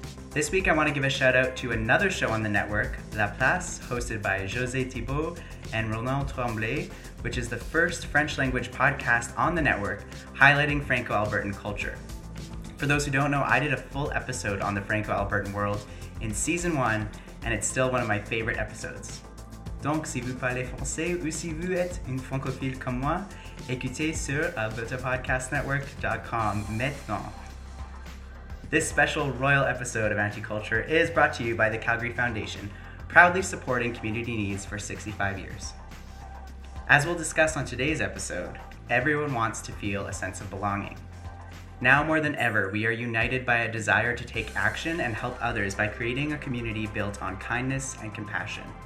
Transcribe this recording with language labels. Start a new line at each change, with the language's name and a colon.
English: This week, I want to give a shout out to another show on the network, La Place, hosted by José Thibault and Ronald Tremblay, which is the first French language podcast on the network highlighting Franco-Albertan culture. For those who don't know, I did a full episode on the Franco-Albertan world in season one, and it's still one of my favorite episodes.
French: Donc, si vous parlez français ou si vous êtes une francophile comme moi, écoutez sur albertapodcastnetwork.com maintenant.
English: This special royal episode of Anticulture is brought to you by the Calgary Foundation, proudly supporting community needs for 65 years. As we'll discuss on today's episode, everyone wants to feel a sense of belonging. Now more than ever, we are united by a desire to take action and help others by creating a community built on kindness and compassion.